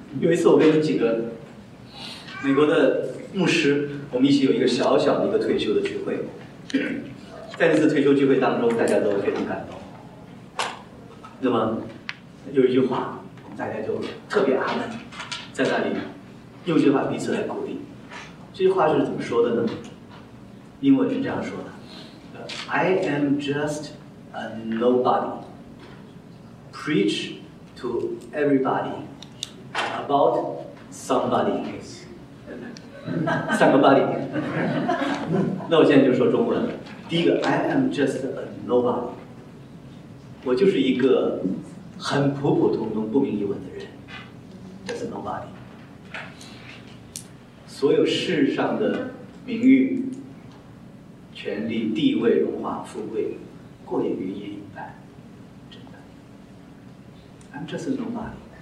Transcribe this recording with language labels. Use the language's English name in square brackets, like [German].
[Chinese] 有一次我跟几个美国的牧师，我们一起有一个小小的一个退休的聚会。在那次退休聚会当中，大家都非常感动。那么有一句话我们大家就特别阿闷，在那里用这句话彼此来鼓励。这句话是怎么说的呢？英文是这样说的， [English] I am just a nobody. Preach to everybody about somebody. [Chinese] 三个 body。那我现在就说中文。第一个， [English] I am just a nobody， [Chinese] 我就是一个很普普通通不明一文的人， [English] just a nobody。 [Chinese] 所有世上的名誉、权力、地位、荣华富贵过眼云烟一般，真的， [English] I'm just a nobody。